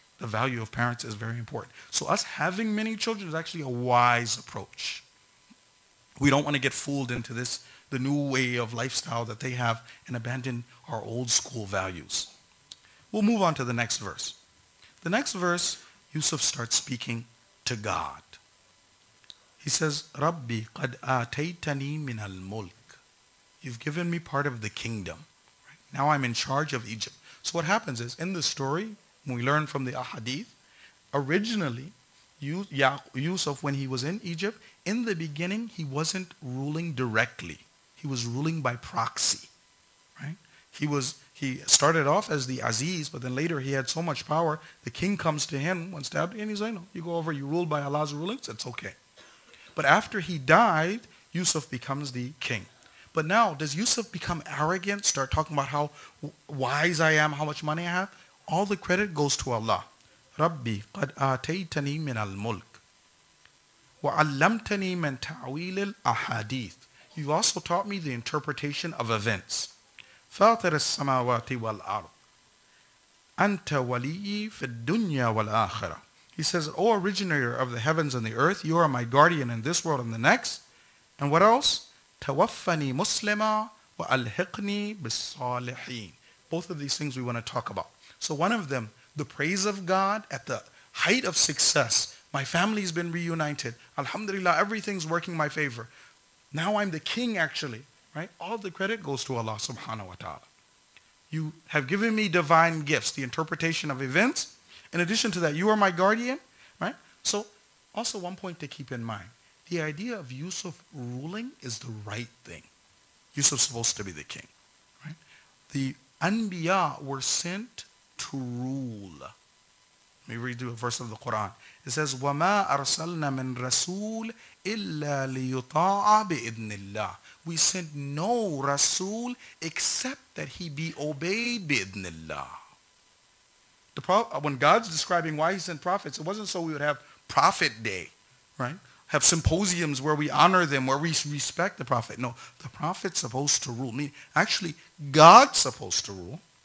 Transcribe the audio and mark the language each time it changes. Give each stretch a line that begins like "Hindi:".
English: The value of parents is very important. So us having many children is actually a wise approach. We don't want to get fooled into this, the new way of lifestyle that they have, and abandon our old school values. We'll move on to the next verse. The next verse, Yusuf starts speaking to God. He says,
Arabic: Rabbi, قَدْ آتَيْتَنِي مِنَ الْمُلْكِ.
English: You've given me part of the kingdom. Now I'm in charge of Egypt. So what happens is, in the story, we learn from the ahadith, originally, Yusuf, when he was in Egypt, in the beginning, he wasn't ruling directly. He was ruling by proxy. Right? He started off as the Aziz, but then later he had so much power, the king comes to him, one step, and he's like, no, you go over, you rule by Allah's rulings, it's okay. But after he died, Yusuf becomes the king. But now, does Yusuf become arrogant, start talking about how wise I am, how much money I have? All the credit goes to Allah.
Arabic: Rabbi, قَدْ آتَيْتَنِي مِنَ الْمُلْكِ وَعَلَّمْتَنِي مِنْ تَعْوِيلِ الْأَحَادِيثِ.
English: You've also taught me the interpretation of events.
Arabic: فَاطِرِ السَّمَاوَاتِ وَالْأَرْضِ أَنْتَ وَلِيِّي فِي الدُّنْيَا وَالْآخِرَةِ.
English: He says, O originator of the heavens and the earth, you are my guardian in this world and the next. And what else?
Arabic: تَوَفَّنِي مُسْلِمًا وَأَلْحِقْنِي بِالصَّالِحِينَ.
English: Both of these things we want to talk about. So one of them, the praise of God at the height of success. My family has been reunited. Alhamdulillah, everything's working in my favor. Now I'm the king actually, right? All the credit goes to Allah subhanahu wa ta'ala. You have given me divine gifts, the interpretation of events. In addition to that, you are my guardian, right? So also one point to keep in mind. The idea of Yusuf ruling is the right thing. Yusuf's supposed to be the king, right? The anbiya were sent to rule. Let me read you a verse of the Quran. It says,
Arabic: وَمَا أَرْسَلْنَا مِنْ رَسُولٍ إِلَّا لِيُطَاعَ بِإِذْنِ اللَّهِ.
English: We sent no Rasul except that he be obeyed
Arabic: بِإِذْنِ اللَّهِ.
English: When God's describing why he sent prophets, it wasn't so we would have prophet day, right? Have symposiums where we honor them, where we respect the prophet. No, the prophet's supposed to rule. I mean, actually, God's supposed to rule.